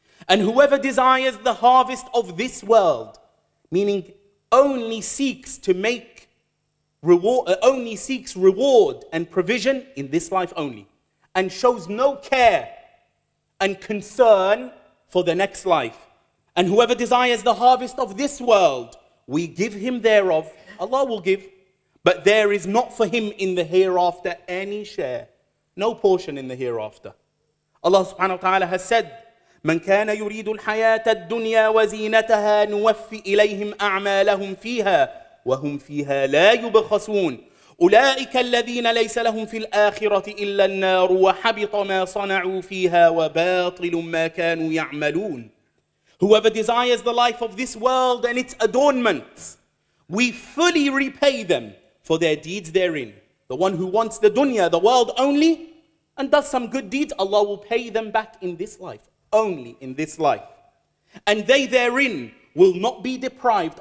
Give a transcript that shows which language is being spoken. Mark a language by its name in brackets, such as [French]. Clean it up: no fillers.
[English] And whoever desires the harvest of this world, meaning only seeks reward and provision in this life only, and shows no care and concern for the next life, And whoever desires the harvest of this world, we give him thereof. Allah will give. But there is not for him in the hereafter any share, no portion in the hereafter. Allah subhanahu wa ta'ala has said, [Arabic] من كان يريد الحياة الدنيا وزينتها نوفي إليهم أعمالهم فيها وهم فيها لا يبخسون أولئك الذين ليس لهم في الآخرة إلا النار وحبط ما صنعوا فيها وباطل ما كانوا يعملون. [English] Whoever desires the life of this world and its adornments, we fully repay them for their deeds therein. The one who wants the dunya, the world only, and does some good deeds, Allah will pay them back in this life. Only in this life. And they therein will not be deprived.